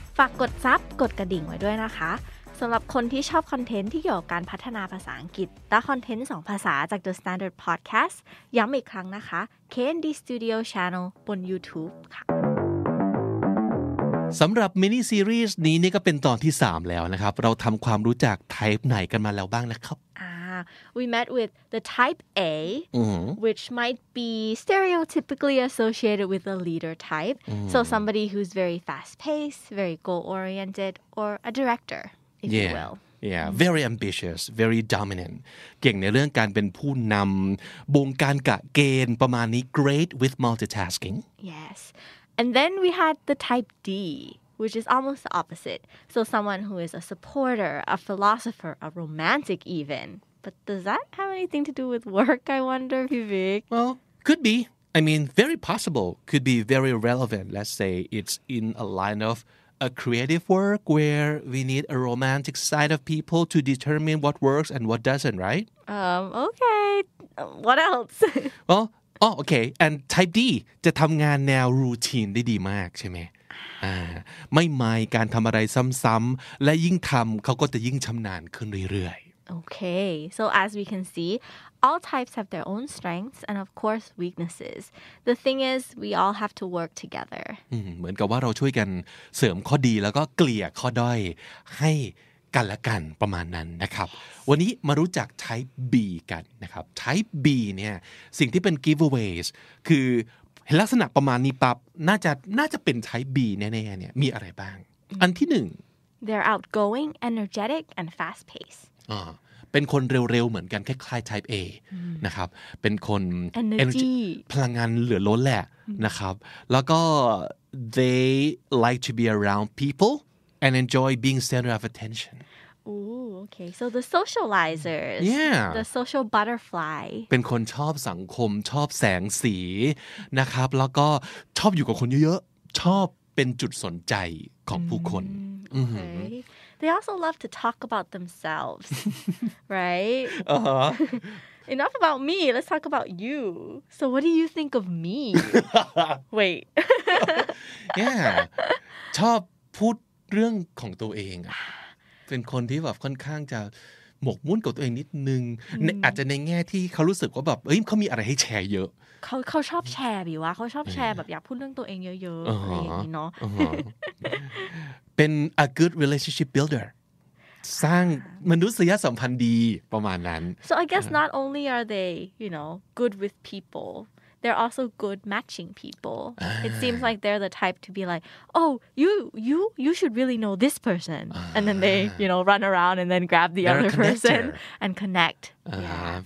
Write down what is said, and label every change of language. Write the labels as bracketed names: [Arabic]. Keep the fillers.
[Thai] ฝากกดซับกดกระดิ่งไว้ด้วยนะคะสำหรับคนที่ชอบคอนเทนต์ที่เกี่ยวกับการพัฒนาภาษาอังกฤษและคอนเทนต์สองภาษาจาก The Standard Podcast ย้ำอีกครั้งนะคะ k n d Studio Channel บน YouTube ค่ะ สำหรับมินิซีรีส์นี้นี่ก็เป็นตอนที่ 3 แล้วนะครับ เราทำความรู้จักไทป์ไหนกันมาแล้วบ้างนะครับ [English] อ่า we met with the type A, mm -hmm. which might be stereotypically associated with a leader type. Mm -hmm. So, somebody who's very fast paced, very goal oriented, or a director, if yeah. you will. Yeah, very mm -hmm. ambitious, very dominant. [Thai] เก่งในเรื่องการเป็นผู้นำบงการกะเกณฑ์ประมาณนี้ [English] great with multitasking. Yes, and then we had the type D, which is almost the opposite. So someone who is a supporter, a philosopher, a romantic even. But does that have anything to do with work, I wonder, Vivek? Well, could be. I mean, very possible. Could be very relevant. Let's say it's in a line of a creative work where we need a romantic side of people to determine what works and what doesn't, right? Um, okay. What else? well, oh, okay. And type D. [Thai] จะทำงานแนวรูทีนได้ดีมากใช่ไหมไม่ไม่การทำอะไรซ้ำๆและยิ่งทำเขาก็จะยิ่งชำนาญขึ้นเรื่อยๆ [English] Okay, so as we can see, all types have their own strengths and, of course, weaknesses. The thing is, we all have to work together. [Thai] เหมือนกับว่าเราช่วยกันเสริมข้อดีแล้วก็เกลี่ยข้อด้อยให้กันละกันประมาณนั้นนะครับ วันนี้มารู้จัก type B กันนะครับ type B เนี่ยสิ่งที่เป็น giveaways คือลักษณะประมาณนี้ปั๊บน่าจะน่าจะเป็น type B แน่ๆเนี่ยมีอะไรบ้าง อันที่หนึ่ง [English] They're outgoing, energetic, and fast-paced. [Thai] เป็นคนเร็วๆ เหมือนกันคล้ายๆ type A นะครับ เป็นคน energy พลังงานเหลือล้นแหละนะครับ แล้วก็ [English] they like to be around people and enjoy being center of attention Ooh, okay. So the socializers. Yeah. The social butterfly. [Thai] เป็นคนชอบสังคมชอบแสงสีนะครับ แล้วก็ชอบอยู่กับคนเยอะๆ ชอบเป็นจุดสนใจของผู้คน mm-hmm. [English] okay. they also love to talk about themselves, right? Uh-huh. Enough about me. Let's talk about you. So, what do you think of me? Wait. yeah. [Thai] ชอบพูดเรื่องของตัวเองอ่ะเป็นคนที่แบบค่อนข้างจะหมกมุ่นกับตัวเองนิดนึงอาจจะในแง่ที่เขารู้สึกว่าแบบเอ้ยเขามีอะไรให้แชร์เยอะ เขาเขาชอบแชร์บิวะเขาชอบแชร์แบบอยากพูดเรื่องตัวเองเยอะๆอะไรอย่างนี้เนาะ เป็น [English] a good relationship builder [Thai] สร้างมนุษยสัมพันธ์ดีประมาณนั้น [English] so I guess not only are they you know good with people they're also good matching people. Uh, it seems like they're the type to be like, "Oh, you you you should really know this person." Uh, and then they, you know, run around and then grab the other person and connect. Uh, yeah.